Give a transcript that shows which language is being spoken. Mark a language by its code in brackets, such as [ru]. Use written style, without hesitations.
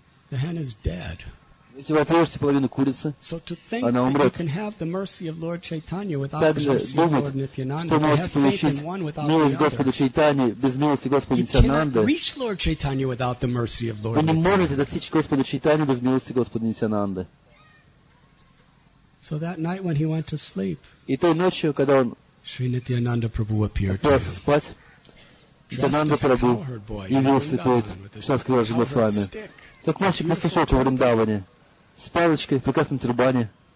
[ru] Если вы отрежете половину курицы, она умрет. Также думать, что вы можете получить милость Господа Чайтаньи без милости Господа Нитьянанды, вы не можете достичь Господа Чайтаньи без милости Господа Нитьянанды. [en] So that night when he went to sleep, [ru] и той ночью, когда он [en] Sri Nityananda Prabhu appeared to him, [ru] Nityananda Prabhu явился перед Кришнадас Кавираджа Госвами, как мальчик пастушок во Вриндаване, с палочкой в прекрасном тюрбане.